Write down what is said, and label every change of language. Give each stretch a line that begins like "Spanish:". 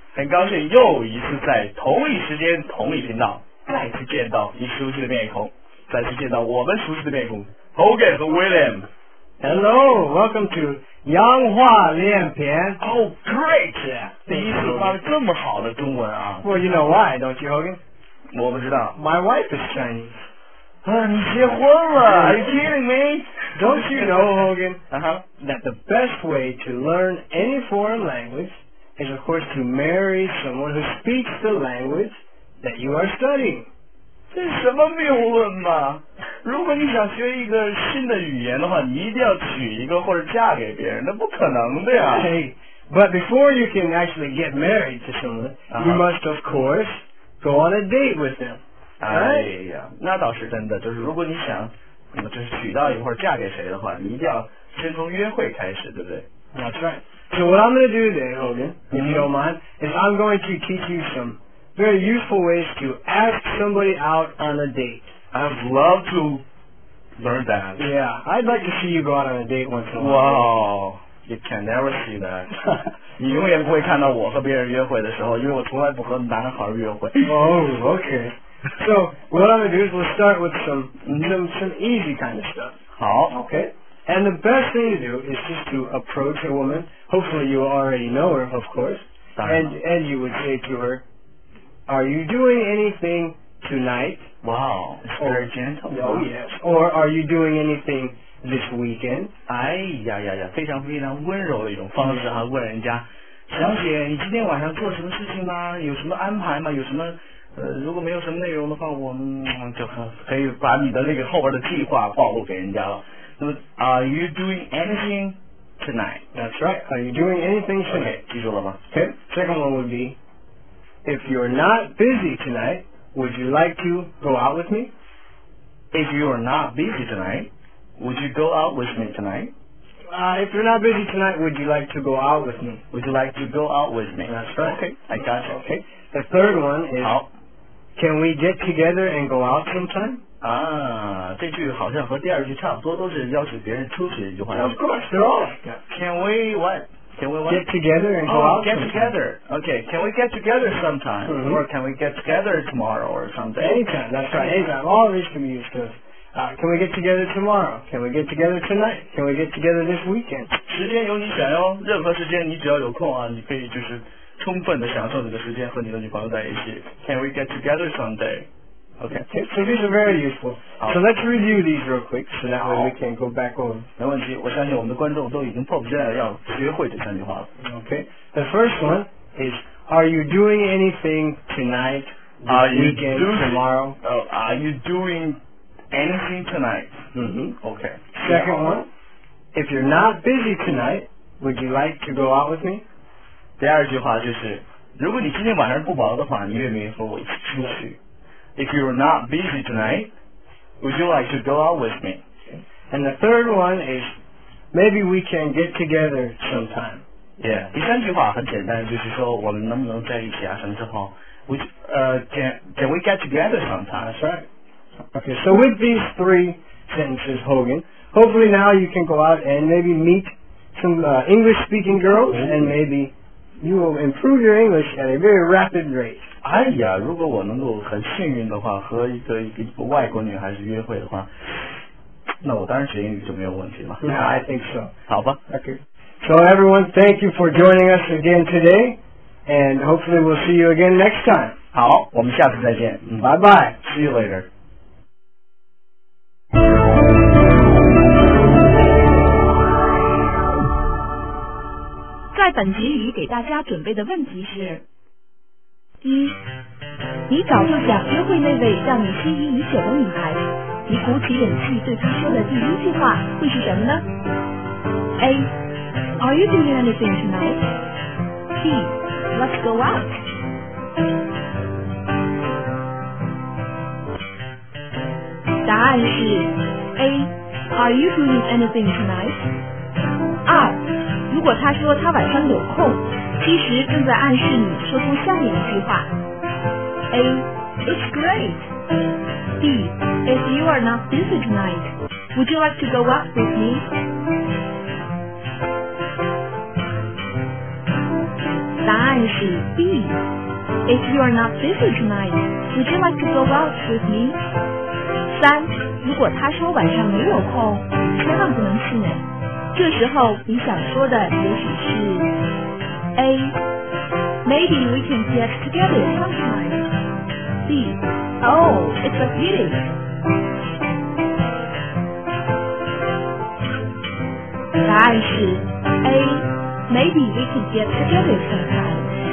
Chinese: 高兴又一次在同一时间同一频道再次见到你熟悉的面孔，再次见到我们熟悉的面孔 Hogan 和 William。
English: Hello, welcome to 洋话连篇。 Oh great,
Chinese: 第一次发的这么好的中文啊。
English: Well, you know why, don't you, Hogan?
Chinese: 我不知道。
English: My wife is Chinese。
Chinese: 啊，你结婚了。
English: Are you kidding me? Don't you know, Hogan, that the best way to learn any foreign language is of course to marry someone who speaks the language that you are studying.
Chinese: 这是什么谬论吗？如果你想学一个新的语言的话，你一定要娶一个或者嫁给别人，那不可能的呀。
English: Hey, but before you can actually get married to someone, you must of course go on a date with them.
Chinese: 哎呀，那倒是真的，就是如果你想就是娶到一会儿嫁给谁的话，你一定要先从约会开始，对不对？
English: That's right. So what I'm going to do today, Hogan, if you don't mind, is I'm going to teach you some very useful ways to ask somebody out on a date. I'd love to learn that. Yeah, I'd like to see you go out on a date once in a while. Wow, you can never see that.
Chinese: 你永远不会看到我和别人约会的时候，因为我从来不和男孩约会。
English: Oh, okay. So, what I'm going to do is we'll start with some easy kind of stuff.
Chinese: 好
English: Okay. And the best thing to do is just to approach a woman. Hopefully you already know her, of course. And you would say to her, are you doing anything tonight? Wow, it's very gentle. Oh, yes. Or are you doing anything this weekend?
Chinese: 哎呀呀呀，非常非常温柔的一种方式啊，问人家，小姐，你今天晚上做什么事情吗？有什么安排吗？有什么如果没有什么内容的话，我们就可以把你的那个后边的计划暴露给人家了。那么
English: ，Are you doing anything tonight? That's right. Are you doing anything tonight? Okay,
Chinese: 记住了吗
English: ？Okay. Second one would be, if you're not busy tonight, would you like to go out with me? If you're not busy tonight, would you go out with me tonight? If you're not busy tonight, would you like to go out with me? Would you like to go out with me? That's right. Okay, I got you. Okay. The third one is.
Chinese: 好
English: Can we get together and go out sometime?
Chinese: 啊，这句好像和第二句差不多，都是邀请别人出去的一句话。
English: Of course, they're all like that. Can we what? Get together and go out sometime. Together. Okay, can we get together sometime? Or can we get together tomorrow or something? Anytime, that's right. Anytime. All of these can be used to. Can we get together tomorrow? Can we get together tonight? Can we get together this weekend?
Chinese: 时间由你选哟，任何时间你只要有空啊，你可以就是充分的享受你的时间和你的女朋友在一起。
English: Can we get together someday? Okay. So these are very useful. So let's review these real quick so that way we can go back on.
Chinese: 没问题，我相信我们的观众都已经迫不及待要学会这三句话了。
English: Okay. The first one is, are you doing anything tonight, tomorrow? Are you doing anything tonight? Okay. Second one, if you're not busy tonight, would you like to go out with me?
Chinese: 第二句话就是，如果你今天晚上不忙的话，你愿不愿意和我一起出去 ？
English: If you're not busy tonight, would you like to go out with me? And the third one is, maybe we can get together sometime. Yeah.
Chinese: 第三句话很简单，就是说我们能不能在一起啊？什么时候
English: ？Can we get together sometime? That's right. Okay. So with these three sentences, Hogan, hopefully now you can go out and maybe meet some English-speaking girls and maybe. You will improve your English at a very rapid rate.
Chinese: 哎呀，如果我能够很幸运的话，和一个外国女孩子约会的话，那我当然学英语就没有问题了。
English: Yeah, I think so.
Chinese: 好吧。
English: Okay. So everyone, thank you for joining us again today, and hopefully we'll see you again next time.
Chinese: 好，我们下次再见。
English: Bye bye. See you later.
Chinese: 本集语给大家准备的问题是：一，你早就想约会那位让你心仪已久的女孩，你鼓起勇气对她说的第一句话会是什么呢 ？A.
English: Are you doing anything tonight? B. Let's go out. A.
Chinese: 答案是 A.
English: Are you doing anything tonight?
Chinese: 二。如果他说他晚上有空，其实正在暗示你说出下面一句话 ：A.
English: It's great. B. If you are not busy tonight, would you like to go out with me?
Chinese: 答案是 B.
English: If you are not busy tonight, would you like to go out with me?
Chinese: 三，如果他说晚上没有空，千万不能气馁。这时候你想说的也许是 A.
English: Maybe we can get together sometime. B. Oh, it's a pity.
Chinese: 答案是 A.
English: Maybe we can get together sometime.